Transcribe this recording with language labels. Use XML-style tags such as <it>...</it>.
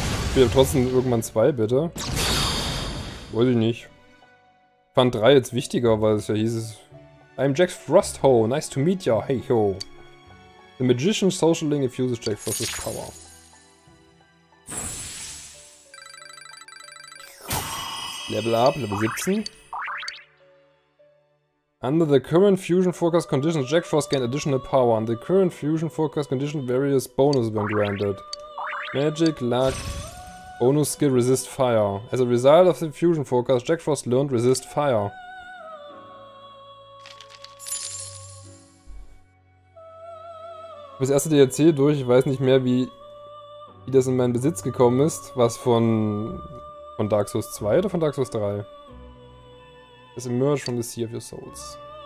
<de>Ich will trotzdem irgendwann 2, bitte. Weiß ich nicht. Ich fand 3 jetzt wichtiger, weil es ja hieß es.</de> <en>I'm Jack Frostho, nice to meet ya, hey ho. The Magician Social Link infuses Jack Frost's power. Level up, Level 17. Under the current fusion forecast conditions, Jack Frost gained additional power. Under the current fusion forecast conditions, various bonuses were granted. Magic, luck. Bonus Skill Resist Fire. As a result of the Fusion Forecast, Jack Frost learned Resist Fire.</en> <de>Ich habe das erste DLC durch, ich weiß nicht mehr, wie das in meinen Besitz gekommen ist. Was von Dark Souls 2 oder von Dark Souls 3?</de> <en>Es emerged from the Sea of Your Souls.</en>